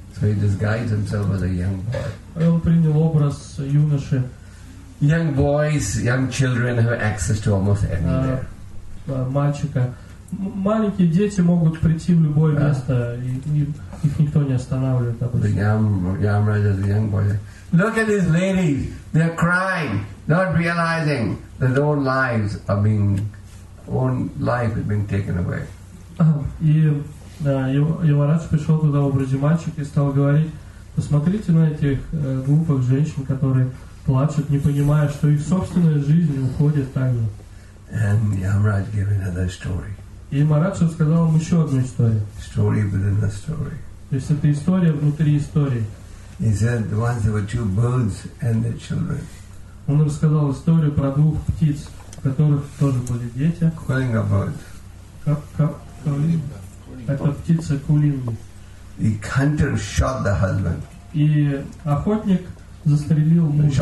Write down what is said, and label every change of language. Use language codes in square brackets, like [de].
[en] So he disguised himself as a young boy. [ru] Он принял образ юноши. [en] Young boys, young children have access to almost anywhere. [ru] Мальчика. Маленькие дети могут прийти в любое место, и их никто не останавливает. [en] Ямрадж, as a young boy, look at these ladies, they're crying, not realizing that their own life is being taken away. [ru] И Ямарадж пришел туда в образе мальчика и стал говорить: посмотрите на этих глупых женщин, которые плачут, не понимая, что их собственная жизнь уходит так же. [en] And Ямрадж gave another story. [ru] И Ямарадж рассказал им еще одну историю. [en] Story within the story. [ru] То есть это история внутри истории. [en] He said once there were two birds and their children. [ru] Он рассказал историю про двух птиц, у которых тоже были дети. [en] Кулинга bird. [ru] Это птица кулинги. [en] The hunter shot the husband. [ru] И охотник застрелил мужа.